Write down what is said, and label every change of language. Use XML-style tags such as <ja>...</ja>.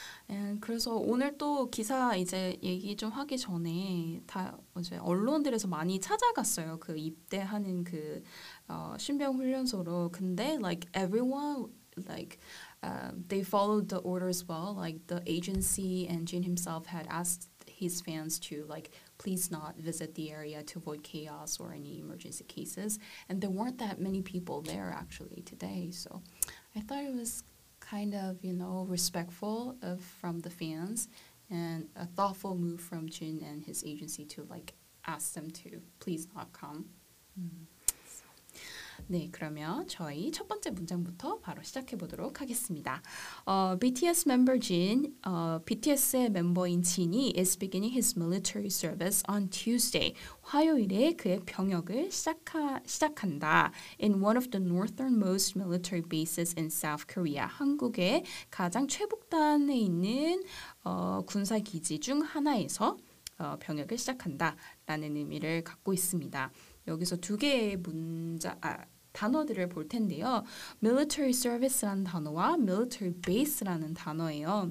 <ko>And 그래서 오늘 또 기사 이제 얘기 좀 하기 전에 다 이제 언론들에서 많이 찾아갔어요. 그 입대하는 그 신병 훈련소로. 근데</ko> <en>like everyone like they followed the orders well. Like the agency and Jin himself had asked his fans to like please not visit the area to avoid chaos or any emergency cases. And there weren't that many people there actually today. So I thought it was kind of, you know, respectful of from the fans and a thoughtful move from Jin and his agency to like ask them to please not come. Mm-hmm.</en> <ko>네, 그러면 저희 첫 번째 문장부터 바로 시작해 보도록 하겠습니다.</ko> <en>BTS member Jin,</en> <ko>BTS의 멤버인 진이</ko> <en>is beginning his military service on Tuesday.</en> <ko>화요일에 그의 병역을 시작한다.</ko> <en>In one of the northernmost military bases in South Korea.</en> <ko>한국의 가장 최북단에 있는 군사기지 중 하나에서 병역을 시작한다라는 의미를 갖고 있습니다. 여기서 두 개의 문장, 단어들을 볼 텐데요. Military service라는 단어와 military base라는 단어예요.</ko>